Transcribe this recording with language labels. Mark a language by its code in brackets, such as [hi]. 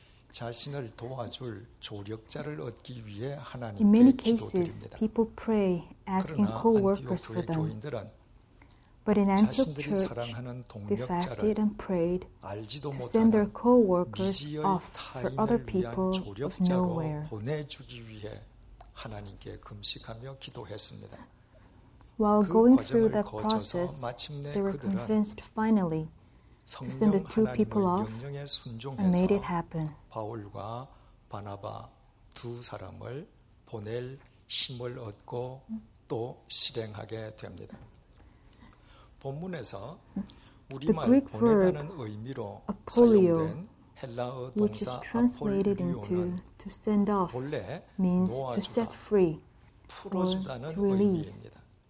[ko] 자신을 도와줄 조력자를 얻기 위해 하나님께 [en] In many cases, people pray asking co-workers for them. But in Antioch Church, they fasted and prayed to send their co-workers off for other people of nowhere. [ko] 보내주기 위해 하나님께 금식하며 기도했습니다. [en] While going through that process, they were convinced finally to send the two people off and made it happen. [ko] 바울과 바나바 두 사람을 보낼 힘을 얻고 또 실행하게 됩니다. 본문에서 우리말 보내다는 의미로 사용된 헬라어 동사 아폴리오는 본래 놓아주다, 풀어주다는 의미입니다.